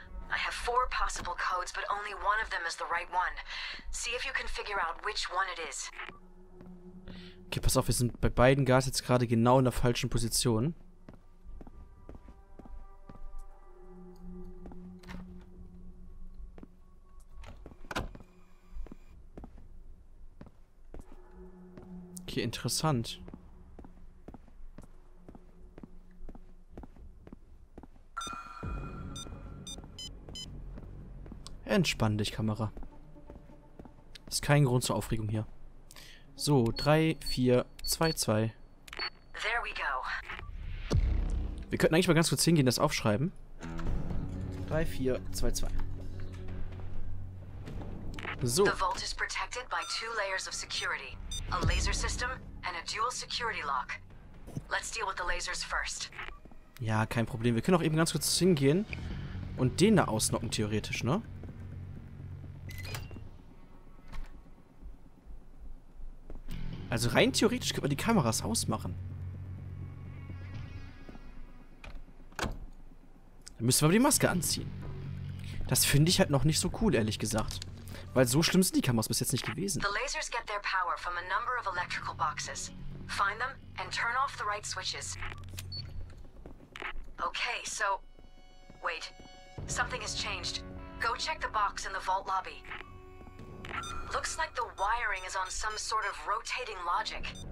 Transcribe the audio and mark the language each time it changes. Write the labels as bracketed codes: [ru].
[en] I have four possible codes, but only one of them is the right one. See if you can figure out which one it is. [de] Okay, pass auf, wir sind bei beiden Guards jetzt gerade genau in der falschen Position. Okay, interessant. Entspann dich, Kamera. Ist kein Grund zur Aufregung hier. So, 3, 4, 2, 2. [en] There we go. [de] Wir könnten eigentlich mal ganz kurz hingehen, das aufschreiben. 3, 4, 2, 2. So. [en] The vault is protected by two layers of security. A laser system and a dual security lock. Let's deal with the lasers first. [de] Ja, kein Problem. Wir können auch eben ganz kurz hingehen und den da ausnocken, theoretisch, ne? Also rein theoretisch können wir die Kameras ausmachen. Dann müssen wir aber die Maske anziehen. Das finde ich halt noch nicht so cool, ehrlich gesagt. Weil so schlimm sind die Kameras bis jetzt nicht gewesen. [en] The lasers get their power from a number of electrical boxes. Find them and turn off the right switches. Okay, so wait. Something has changed. Go check the box in the vault lobby. Looks like the wiring is on some sort of rotating logic.